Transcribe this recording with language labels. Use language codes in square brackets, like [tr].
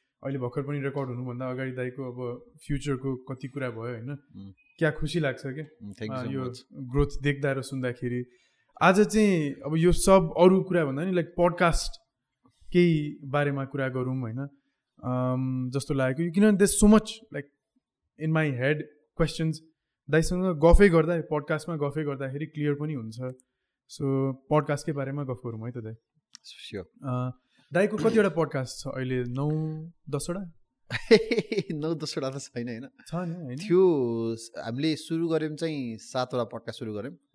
[ne] अहिले भर्खर पनि रेकर्ड हुनुभन्दा अगाडि दाईको अब फ्युचरको कति कुरा भयो होइन. क्या खुसी लाग्छ क्या यो ग्रोथ देख्दा र सुन्दाखेरि. आज चाहिँ अब यो सब अरू कुरा भन्दा नि लाइक पडकास्ट केही बारेमा कुरा गरौँ होइन जस्तो लागेको. [en] किनभने there so much like in my head questions. [ne] दाईसँग गफै गर्दा, पडकास्टमा गफै गर्दाखेरि क्लियर पनि हुन्छ. सो पडकास्टकै बारेमा गफ गरौँ है त दाई. [en] Sure. [ne] दाईको कतिवटा पडकास्ट छ अहिले? 9-10 नौ दसवटा त छैन होइन, छ नि होइन. थियो, हामीले सुरु गऱ्यौँ चाहिँ 7 पडकास्ट सुरु गऱ्यौँ.